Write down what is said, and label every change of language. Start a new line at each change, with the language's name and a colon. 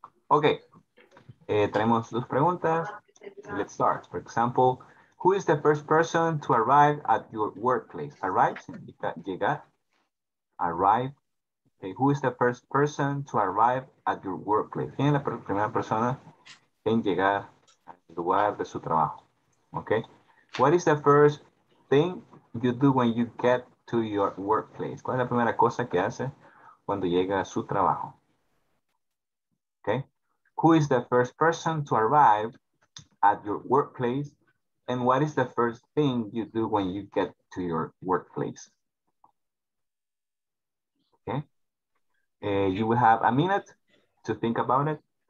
English: Okay,
Spanish: tenemos dos preguntas.
English: Let's start. For example, Who is the first person to arrive at your workplace? Arrive
Spanish: significa llegar.
English: Arrive. Okay. Who is the first person to arrive at your workplace?
Spanish: ¿Quién es la primera persona en llegar al lugar de su trabajo?
English: Okay. What is the first thing you do when you get to your workplace?
Spanish: ¿Cuál es la primera cosa que hace cuando llega a su trabajo?
English: Okay. Who is the first person to arrive at your workplace? And what is the first thing you do when you get to your workplace? Okay. You will have a minute to think about it.